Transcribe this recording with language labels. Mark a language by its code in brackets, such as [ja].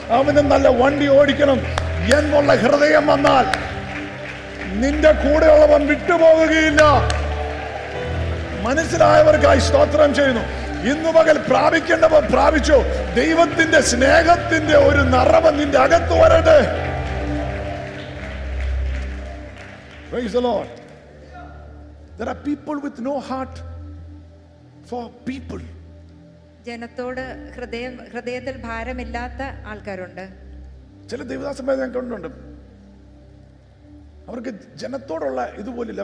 [ml] അവന് നല്ല വണ്ടി ഓടിക്കണം എന്നുള്ള ഹൃദയം വന്നാൽ നിന്റെ കൂടെയുള്ളവൻ വിട്ടുപോകുകയില്ല. മനസ്സിലായവർക്കായി സ്തോത്രം ചെയ്യുന്നു. ഇന്ന് പകൽ പ്രാപിക്കേണ്ടവർ പ്രാപിച്ചു. ദൈവത്തിന്റെ സ്നേഹത്തിന്റെ ഒരു നിറവ് നിന്റെ അകത്ത് വരട്ടെ. [en] Praise the Lord. There are people with no heart for people. [ml] ജനത്തോട് ഹൃദയത്തിൽ ഭാരമില്ലാത്ത ആൾക്കാരുണ്ട്. ചില ദൈവദാസന്മാരെ ഞാൻ കണ്ടിട്ടുണ്ട്, അവർക്ക് ജനത്തോടുള്ള ഇതുപോലില്ല.